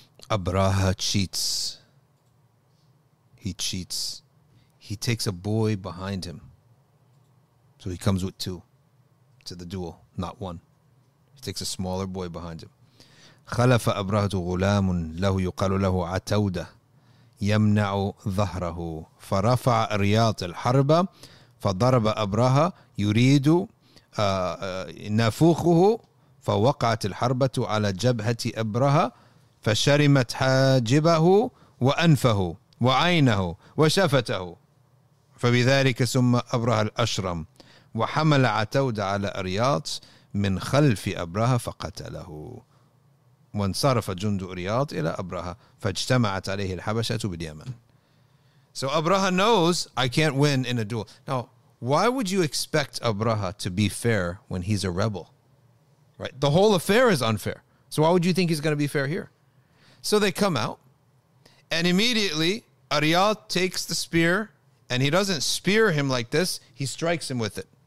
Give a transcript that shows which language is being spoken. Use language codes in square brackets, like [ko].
[en] Abraha cheats. He cheats. He takes a boy behind him. So he comes with two to the duel, not one. He takes a smaller boy behind him. [ar] خلف أبراهة غلام له يقال له عتودة يمنع ظهره فرفع رياط الحرب فضرب أبراهة يريد نافوخه فوقعت الحربة على جبهة أبراهة فشرمت حاجبه وأنفه وعينه وشفته فبذلك ثم أبراهة الأشرم وحمل عتودة على رياط من خلف أبراهة فقتله وانصرف جند رياط إلى أبراهة فاجتمعت عليه الحبشة باليمن. [en] So Abraha knows I can't win in a duel. Now, why would you expect Abraha to be fair when he's a rebel? Right? The whole affair is unfair. So why would you think he's going to be fair here? So they come out, and immediately Ariyat takes the spear, and he doesn't spear him like this. He strikes him with it.